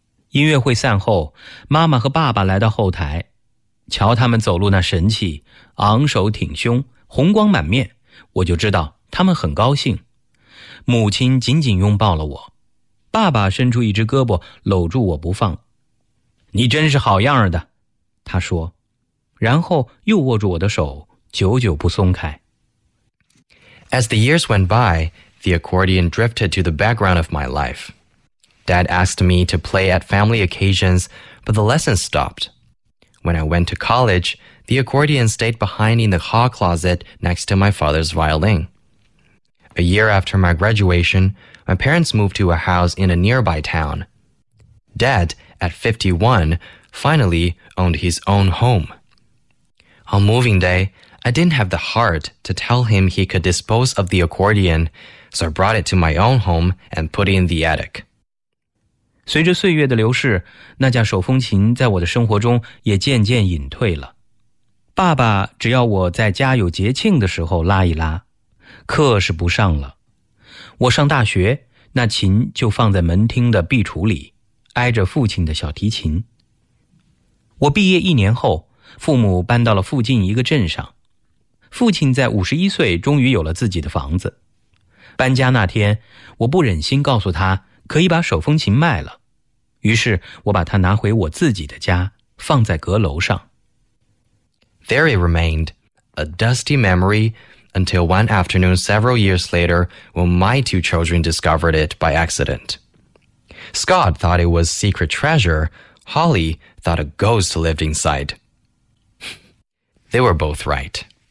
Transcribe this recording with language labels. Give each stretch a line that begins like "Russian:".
Chinese: 音乐会散后，妈妈和爸爸来到后台，瞧他们走路那神气，昂首挺胸，红光满面，我就知道他们很高兴。母亲紧紧拥抱了我，爸爸伸出一只胳膊搂住我不放。你真是好样的，他说，然后又握住我的手，久久不松开。
English: As the years went by, the accordion drifted to the background of my life. Dad asked me to play at family occasions, but the lessons stopped. When I went to college, the accordion stayed behind in the hall closet next to my father's violin. A year after my graduation, my parents moved to a house in a nearby town. Dad, at 51, finally owned his own home. On moving day, I didn't have the heart to tell him he could dispose of the accordion, so I brought it to my own home and put it in the attic.
Chinese: 随着岁月的流逝，那架手风琴在我的生活中也渐渐隐退了。爸爸只要我在家有节庆的时候拉一拉，课是不上了。我上大学，那琴就放在门厅的壁橱里，挨着父亲的小提琴。我毕业一年后，父母搬到了附近一个镇上，父亲在51岁终于有了自己的房子。搬家那天，我不忍心告诉他可以把手风琴卖了，于是我把它拿回我自己的家，放在阁楼上。
English: There it remained, a dusty memory, until one afternoon several years later when my two children discovered it by accident. Scott thought it was secret treasure, Holly thought a ghost lived inside. They were both right.